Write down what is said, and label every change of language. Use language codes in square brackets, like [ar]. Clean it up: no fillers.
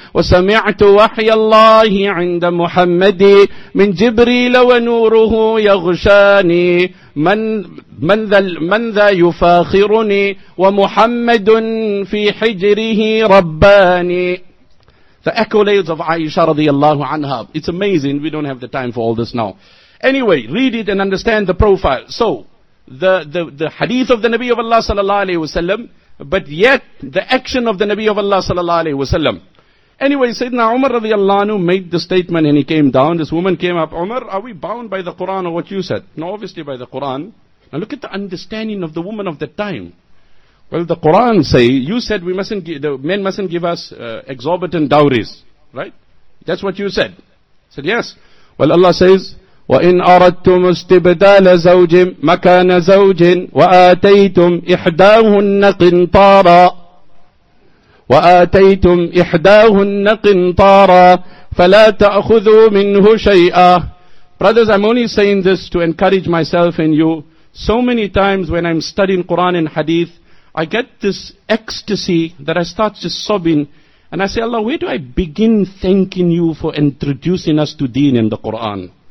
[ar] وسمعت وحي الله عند محمد من جبريل ونوره يغشاني من ذا يفاخرني ومحمد في حجره رباني. [en] The accolades of Aisha radiallahu anha. It's amazing. We don't have the time for all this now. Anyway, read it and understand the profile. So, the hadith of the Nabi of Allah sallallahu alayhi wa sallam, but yet the action of the Nabi of Allah sallallahu alayhi wa sallam. Anyway, Sayyidina Umar radiallahu anhu made the statement and he came down. This woman came up. Umar, are we bound by the Quran or what you said? No, obviously by the Quran. Now look at the understanding of the woman of that time. Well, the Quran say, you said we mustn't give, the men mustn't give us exorbitant dowries, right? That's what you said. I said yes. Well, Allah says, [ar] وَإِنْ أَرَدْتُمُ اسْتِبْدَالَ زَوْجٍ مَكَانَ زَوْجٍ وَآتَيْتُمْ إِحْدَاهُنَّ قِنْطَارًا وَآتَيْتُمْ إِحْدَاهُنَّ قِنْطَارًا فَلَا تَأْخُذُوا مِنْهُ شَيْئًا. [en] Brothers, I'm only saying this to encourage myself and you. So many times when I'm studying Quran and Hadith, I get this ecstasy that I start just sobbing and I say, Allah, where do I begin thanking you for introducing us to deen and the Quran?